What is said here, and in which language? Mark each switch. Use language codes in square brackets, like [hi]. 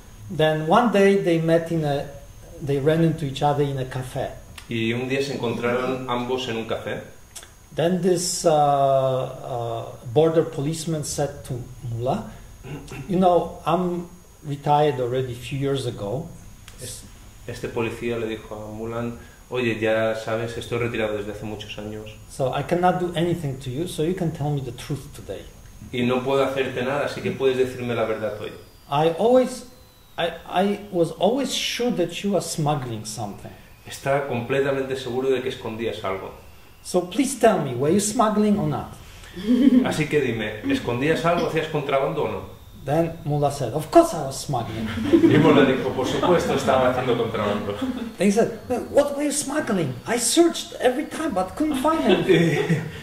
[en] Then one day they ran into each other in a cafe. [es] Y un día se encontraron ambos en un café. [en] Then this border policeman said to Mullah, "You know, I'm retired already a few years ago." [es] Este policía le dijo a Mulan, "Oye, ya sabes, estoy retirado desde hace muchos años." [en] So I cannot do anything to you, so you can tell me the truth today. [es] Y no puedo hacerte nada, así que puedes decirme la verdad hoy. [en] I was always sure that you are smuggling something. [es] Estaba completamente seguro de que escondías algo. [en] So please tell me, were you smuggling or not? [es] Así que dime, ¿escondías algo, hacías contrabando o no? [en] Then Mullah said, "Of course I was smuggling." [es] Y Mullah dijo, "Por supuesto estaba haciendo contrabando." [en] Then he said, "What were you smuggling? I searched every time but couldn't find it."